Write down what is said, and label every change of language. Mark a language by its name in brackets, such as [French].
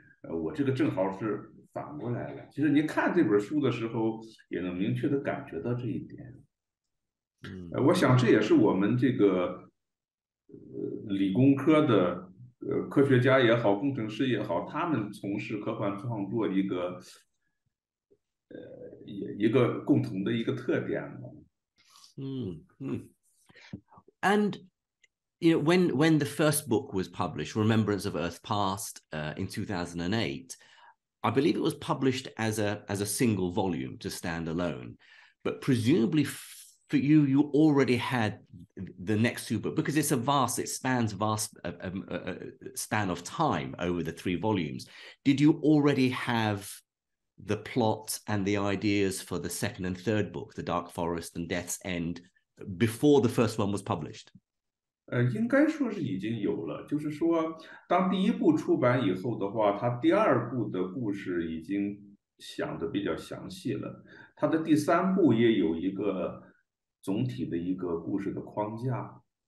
[Chinese] 我这个正好是反过来了。其实你看这本书的时候，也能明确的感觉到这一点。我想这也是我们这个理工科的科学家也好，工程师也好，他们从事科幻创作一个共同的一个特点嘛。 [English] And you know, when the first book was published, Remembrance of Earth Past, in 2008, I believe it was published as a single volume to stand alone. But presumably for you, you already had the next two books, because it spans a span of time over the three volumes. Did you already have the plot and the ideas for the second and third book, The Dark Forest and Death's End, before the first one was published? [Chinese] 应该说是已经有了，就是说当第一部出版以后的话，它第二部的故事已经想的比较详细了，它的第三部也有一个总体的一个故事的框架。